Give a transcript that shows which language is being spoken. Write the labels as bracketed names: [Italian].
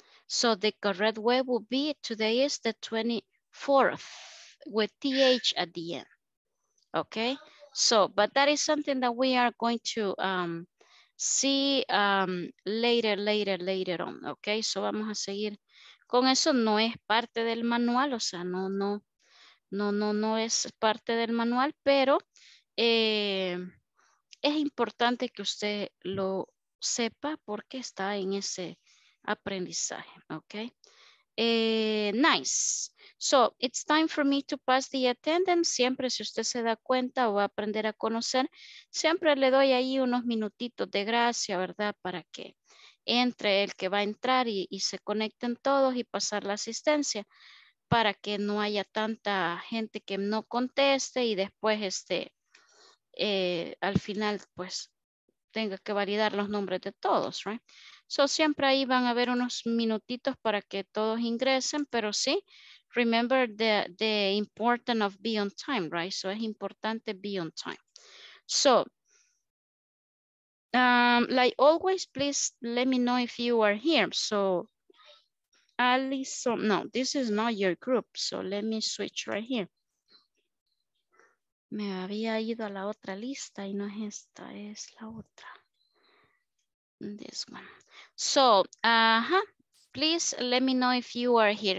[English] So the correct way would be today is the 24th with TH at the end. Okay. So, but that is something that we are going to see later on. [Spanish] Okay. So vamos a seguir. Con eso no es parte del manual, o sea, no es parte del manual, pero es importante que usted lo sepa porque está en ese aprendizaje, ¿ok? [English] Nice. So, it's time for me to pass the attendance. [Spanish] Siempre si usted se da cuenta o va a aprender a conocer, siempre le doy ahí unos minutitos de gracia, ¿verdad? Para que entre el que va a entrar y se conecten todos y pasar la asistencia para que no haya tanta gente que no conteste y después al final pues tenga que validar los nombres de todos, right? So siempre ahí van a haber unos minutitos para que todos ingresen, pero sí, remember the importance of be on time, right? So es importante be on time. [English] So, like always, please let me know if you are here. So, Alison, no, this is not your group. So, let me switch right here. [Spanish] Me había ido a la otra lista y no es esta, es la otra. [English] This one. So, please let me know if you are here.